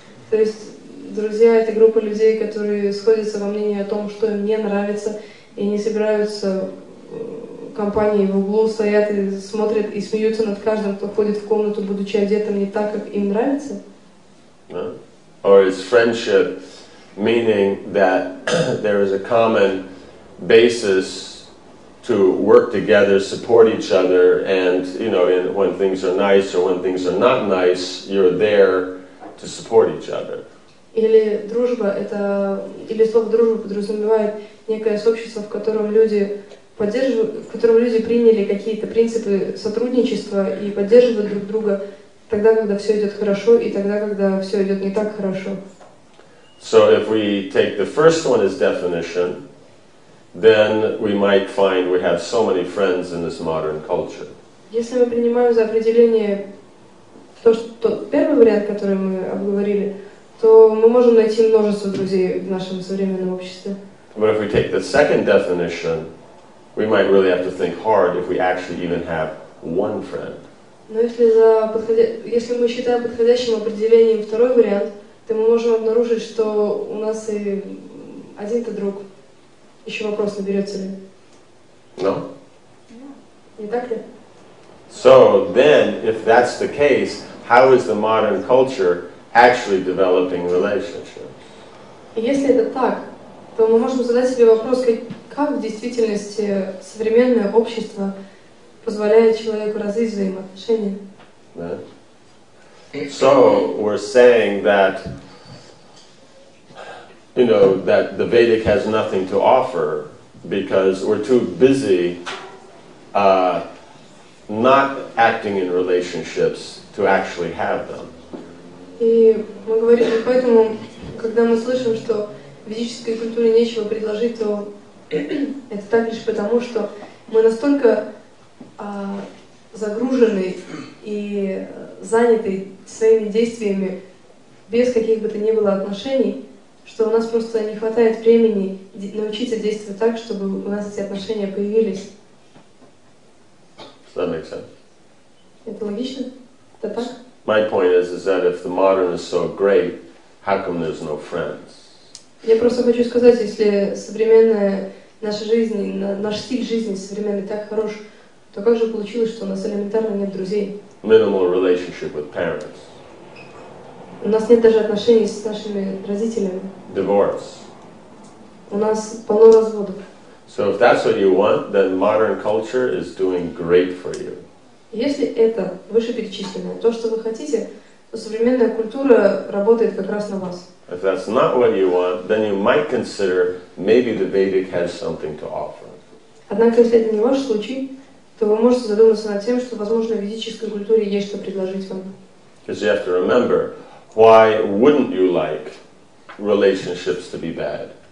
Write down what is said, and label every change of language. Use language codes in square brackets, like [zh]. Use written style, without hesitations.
[ru] То есть, друзья, это группа людей, которые сходятся во мнении о том, что им не нравится, и не собираются компании в углу стоят и смотрят и смеются над каждым, кто входит в комнату, будучи одетым не так, как им нравится? [en] Or is friendship meaning that there is a common basis to work together, support each other, and, you know, when things are nice or when things are not nice, you're there to support each other? [ru] Или дружба это, или слово дружба подразумевает некое сообщество, в котором люди в котором люди приняли какие-то принципы сотрудничества и поддерживают друг друга тогда, когда все идет хорошо, и тогда, когда все идет не так хорошо. [en] So if we take the first one as definition, then we might find we have so many friends in this modern culture. [ru] Если мы принимаем за определение то, что первый вариант, который мы обговорили, то мы можем найти множество друзей в нашем современном обществе. [en] But if we take the second definition, we might really have to think hard if we actually even have one friend. [ru] Но если мы считаем подходящим определением второй вариант, то мы можем обнаружить, что у нас и один-то друг. Еще вопрос, наберется ли? [en] No. [ru] Не так ли? [en] So then, if that's the case, how is the modern culture actually developing relationships? [ru] Если это так, то мы можем задать себе вопрос, как в действительности современное общество позволяет человеку развить взаимоотношения? [en] Yeah. So we're saying that, you know, that the Vedic has nothing to offer because we're too busy not acting in relationships to actually have them. [ru] И мы говорим, поэтому, когда мы слышим, что ведической культуре нечего предложить, то это так лишь потому, что мы настолько загружены и заняты своими действиями без каких бы то ни было отношений, что у нас просто не хватает времени научиться действовать так, чтобы у нас эти отношения появились. [en] That makes sense. [ru] Это логично? Это так? [en] My point is that if the modern is so great, how come there's no friends? [ru] Я просто хочу сказать, если современная наша жизнь, наш стиль жизни современный так хорош, то как же получилось, что у нас элементарно нет друзей? [en] Minimal relationship with parents. [ru] У нас нет даже отношений с нашими родителями. [en] Divorce. [ru] У нас полно разводов. [en] So if that's what you want, then modern culture is doing great for you. [ru] Если это вышеперечисленное, то, что вы хотите, то современная культура работает как раз на вас. [en] If that's not what you want, then you might consider maybe the Vedic has something to offer. [ru] Однако, если это не ваш случай, то вы можете задуматься над тем, что, возможно, в ведической культуре есть что предложить вам. [en] Because you have to remember, why wouldn't you like relationships to be bad?